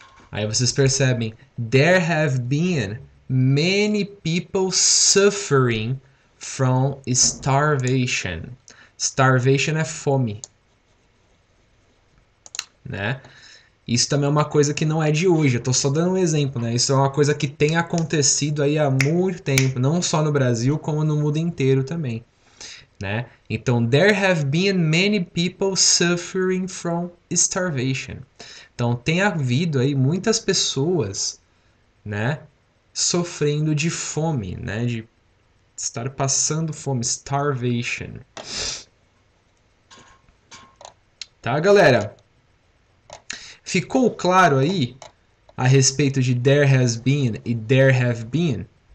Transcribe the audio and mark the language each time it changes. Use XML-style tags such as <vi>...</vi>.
<pt>Aí vocês percebem,</pt> <en>there have been many people suffering from starvation.</en> <pt>Starvation é fome, né? Isso também é uma coisa que não é de hoje, eu tô só dando um exemplo, né? Isso é uma coisa que tem acontecido aí há muito tempo, não só no Brasil, como no mundo inteiro também, né? Então,</pt> <en>there have been many people suffering from starvation.</en> <pt>Então, tem havido aí muitas pessoas, né, sofrendo de fome, né, de estar passando fome, starvation. Tá, galera? Ficou claro aí a respeito de</pt> <en>there has been</en> <pt>e</pt> <en>there have been?</en>